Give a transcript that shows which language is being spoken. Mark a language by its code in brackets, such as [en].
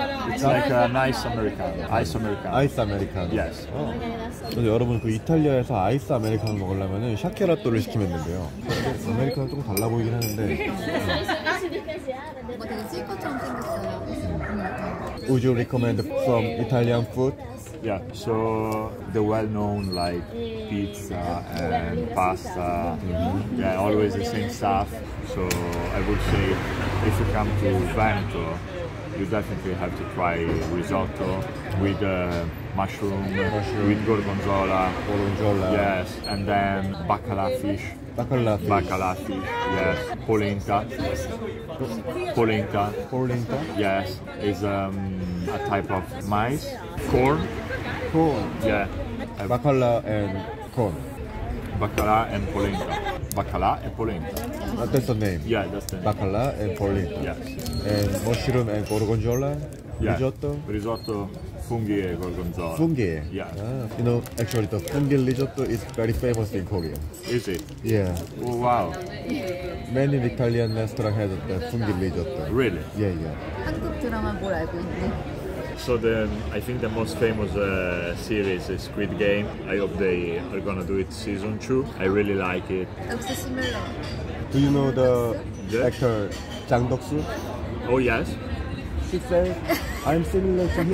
[en] It's like an ice americano. Ice americano. Ice americano. Yes. Oh. [ko] 근데 여러분 그 이탈리아에서 아이스 아메리카노 먹으려면은 샤케라또를 시키면 된대요. 아메리카노 조금 달라 보이긴 하는데. 뭔가 되게 찔것처럼 생겼어요. [en] Would you recommend from Italian food? Yeah, so the well-known like pizza and pasta, yeah, always the same stuff. So I would say if you come to Veneto, you definitely have to try risotto with mushroom, with gorgonzola. Gorgonzola. Yes, and then baccalà fish. Baccalà fish. Baccalà fish, yes. Polenta. Polenta. Polenta. Yes, it's a type of mice. Corn. Corn. Yeah. Baccalà and corn. Baccalà and polenta. Baccalà and polenta. That's the name. Yeah, that's the name. Baccalà and polenta. Yes. And mushroom and gorgonzola. Yeah. Risotto. Risotto. Fungi e gorgonzola. Fungi? Yeah. Ah, you know, actually the fungi risotto is very famous in Korea. Is it? Yeah. Oh, wow. Many Italian restaurants have the fungi risotto. Really? Yeah, yeah. [ko] 한국 드라마 뭘 알고 있니? [en] So then, I think the most famous series is Squid Game. I hope they are gonna do it season 2. I really like it. Do you know the actor Jang Deok-soo? Oh, yes. She said, I'm similar to him.